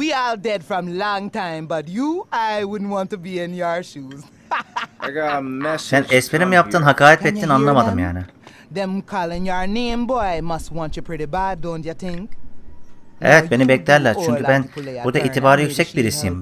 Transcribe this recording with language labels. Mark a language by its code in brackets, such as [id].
[en] We all dead from long time, but you, I wouldn't want to be in your shoes. [tr] Sen espri mi yaptın, hakaret ettin, anlamadım yani. [en] Them calling your name, boy, must want you pretty bad, don't you think? [tr] Evet, beni beklerler çünkü ben burada itibarı yüksek birisiyim.